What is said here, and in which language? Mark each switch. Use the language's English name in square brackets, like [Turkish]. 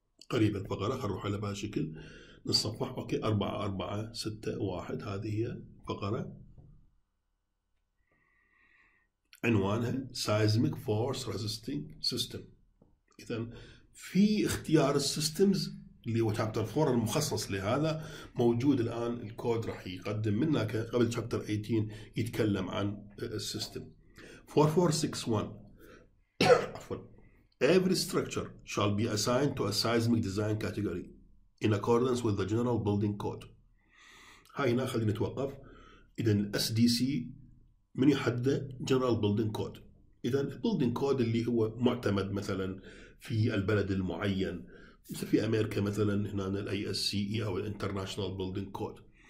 [Arabic] قريبا فقرة خلينا نروح على بهذا الشكل نتصفح. اوكي 4461 هذه هي فقرة عنوانها [English] Seismic Force Resisting System. [Arabic] اذا في اختيار السيستمز اللي هو تشابتر 4 المخصص لهذا موجود الان الكود راح يقدم منه قبل تشابتر 18 يتكلم عن السيستم. [English] 4461 [Arabic] عفوا [English] Every structure shall be assigned to a seismic design category in accordance with the general building code. [Arabic] هاي هنا خلينا نتوقف. إذا الـ SDC من يحدد general building code. إذا الـ building code اللي هو معتمد مثلا في البلد المعين. مثل في أمريكا مثلا هنا الـ ISCE أو الـ International Building Code.